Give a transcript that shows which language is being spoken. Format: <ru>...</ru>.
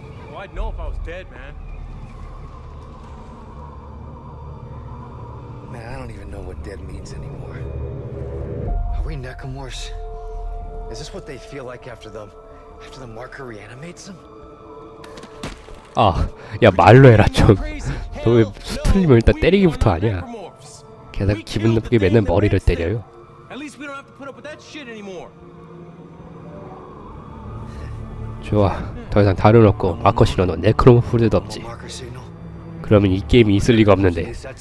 <en>Well, I'd know if I was dead, man. Man, I don't even know what dead means anymore. Are we necromorphs? Is this what they feel like after the marker reanimates them?</en> <ko>아, 야 말로 해라 좀. 너 왜 수틀리면 일단 때리기부터 아니야. 게다가 기분 나쁘게 맨날 머리를 때려요.</ko> <en>At least we don't have to put up with that shit anymore.</en> <ko>좋아. 더 이상 다른 없고 마커 신호도 네크로모프들도 없지. 그러면 이 게임이 있을 리가 없는데.</ko>